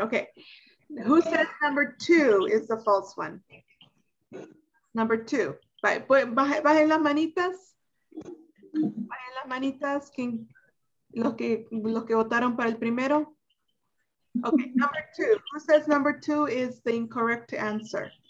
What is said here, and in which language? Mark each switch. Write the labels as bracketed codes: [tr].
[en] Okay, who says number two is the false one? Number two, [es] bajen las manitas. Bajen las manitas, los que votaron para el primero. [en] Okay, number two, who says number two is the incorrect answer?